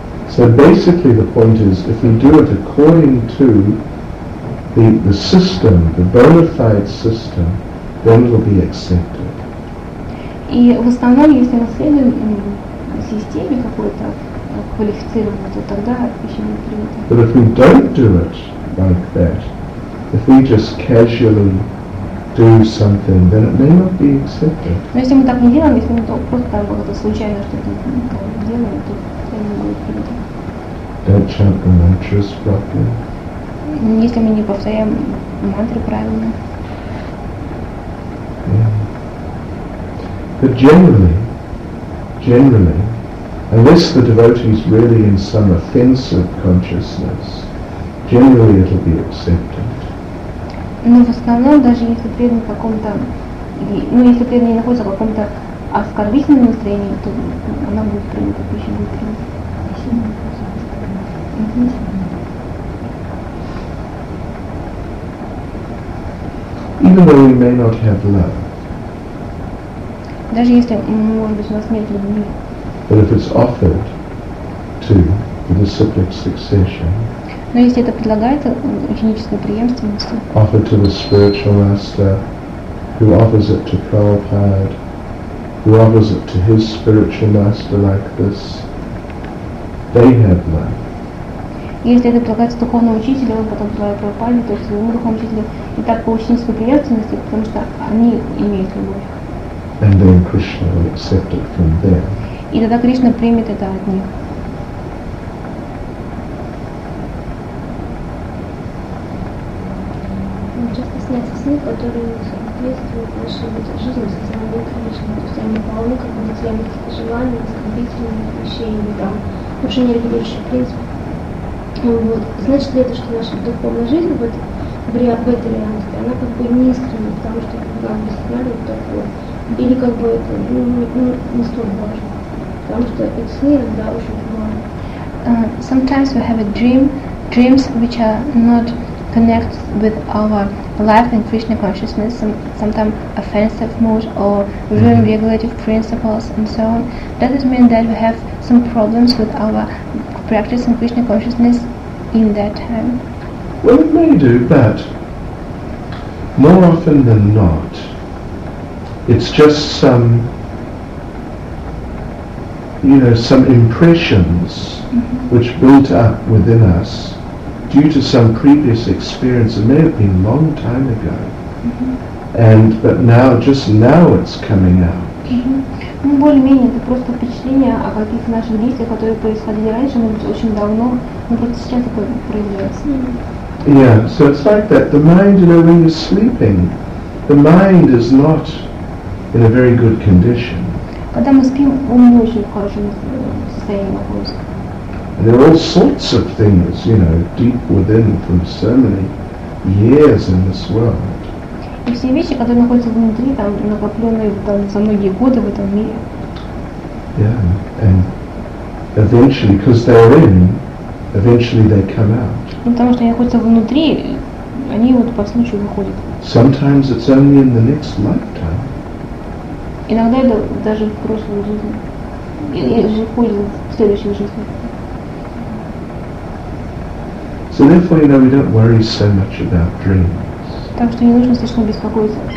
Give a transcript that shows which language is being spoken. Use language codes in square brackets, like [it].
[en] So basically the point is, if we do it according to the system, the bona fide system, then it will be accepted. [ru] И в основном, если мы следуем системе какой-то квалифицированной, то тогда пища не принята. [en] But if we don't do it like that, if we just casually do something, then it may not be accepted. [ru] Но если мы так не делаем, если мы просто там как-то случайно что-то делаем, то это не будет принято. [en] Don't chant the mantras properly. [ru] Если мы не повторяем мантры правильно. [en] But generally, unless the devotee is really in some offensive consciousness, generally it will be accepted. [ru] Но в основном, даже если преданный в каком-то, если преданный не находится в каком-то оскорбительном настроении, то она будет принята, пища будет принята. [en] Even though we may not have love. [ru] Даже если, может быть, у нас нет любви. [en] But if it's offered to the disciplic succession. [ru] Но если это предлагается ученической преемственности. [en] Offered to the spiritual master, who offers it to Prabhupada, who offers it to his spiritual master like this, they have love. [ru] Если это предлагается духовному учителю, он потом предлагает Прабхупаде, то есть своему духовному учителю, и так по ученической преемственности, потому что они имеют любовь. [en] And then Krishna will accept it from them. [ru] И тогда Кришна примет это от них. Часто снятся сны, которые соответствуют нашей жизни со стороны Кришны. То есть они полны какого-то тлянных желаний, оскорбительных вещей или там уже не регулирующих принципов. Вот. Значит ли это, что наша духовная жизнь в этой реальности, она как бы не искренна, потому что когда мы сняли вот такое, или как бы это не столь важно, потому что эти сны иногда очень важны. [en] Sometimes we have a dreams which are not connected with our life and Krishna consciousness, sometimes offensive mood or ruin regulative principles and so on. Does it mean that we have some problems with our practice in Krishna consciousness in that time? Well, it may do, but more often than not, it's just some, you know, some impressions which built up within us due to some previous experience. It may have been a long time ago, but now, just now it's coming out. [ru] Ну, более-менее, это просто впечатление о каких-то наших действиях, которые происходили раньше, может быть, очень давно, но просто сейчас это проявляется. [en] Yeah, so it's like that. The mind, you know, when you're sleeping, the mind is not in a very good condition. [ru] Когда мы спим, ум не очень в хорошем состоянии находится. [en] And there are all sorts of things, you know, deep within from so many years in this world. [ru] И все вещи, которые находятся внутри, там накопленные там за многие годы в этом мире. [en] Yeah, and eventually, because they're in, eventually they come out. [ru] Ну потому что они находятся внутри, они вот по случаю выходят. [en] Sometimes it's only in the next lifetime. [ru] Иногда это даже в прошлой жизни. Или выходит в следующей жизни. [en] So therefore, you know, we don't worry so much about dreams. [ru] Так что не нужно слишком беспокоиться.